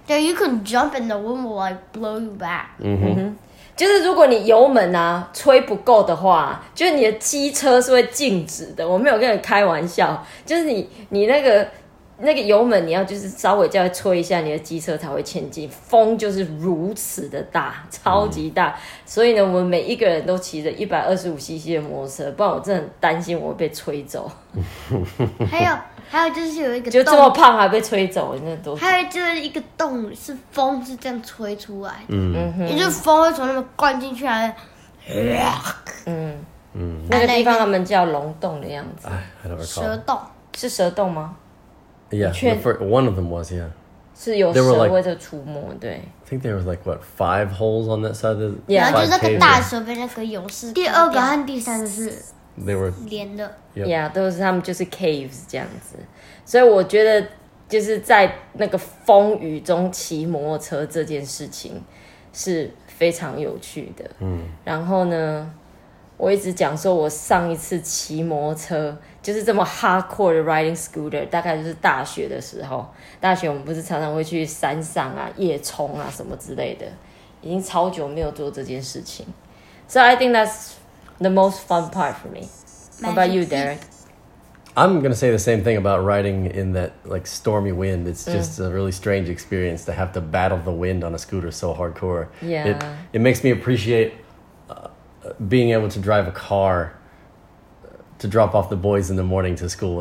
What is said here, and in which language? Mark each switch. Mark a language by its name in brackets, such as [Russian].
[English] Yeah, you can jump and the wind will like blow you back. Mm-hmm. [Chinese] 就是如果你油门啊吹不够的话，就是你的机车是会静止的。我没有跟你开玩笑，就是你那个油门你要就是稍微再吹一下，你的机车才会前进。风就是如此的大，超级大。 Mm-hmm. 所以呢，我们每一个人都骑着125cc 的摩托车，不然我真的很担心我会被吹走。还有就是有一个洞，就这么胖还被吹走，那多。还有就是一个洞，是风是这样吹出来的，嗯，也就是风会从那边灌进去，嗯嗯，那个地方他们叫龙洞的样子，蛇洞是蛇洞吗 [English] ？Yeah，one of them was yeah。 [Chinese] 是有蛇会在出没，对。 [English] I think there was like what five holes on that side of yeah， [Chinese] 然后就是那个大蛇被那个勇士。第二个和第三个是。 [English] They were [Chinese] 连的、 yep. ，Yeah， 都是他们就是 caves 这样子，所以我觉得就是在那个风雨中骑摩托车这件事情是非常有趣的。嗯，然后呢，我一直讲说我上一次骑摩托车就是这么 hardcore 的 [English] riding scooter， [Chinese] 大概就是大学的时候。大学我们不是常常会去山上啊、夜冲啊什么之类的，已经超久没有做这件事情。 [English] So I think that's the most fun part for me. How about you, Derek? I'm going to say the same thing about riding in that like stormy wind. It's just a really strange experience to have to battle the wind on a scooter so hardcore. Yeah. It makes me appreciate being able to drive a car to drop off the boys in the morning to school.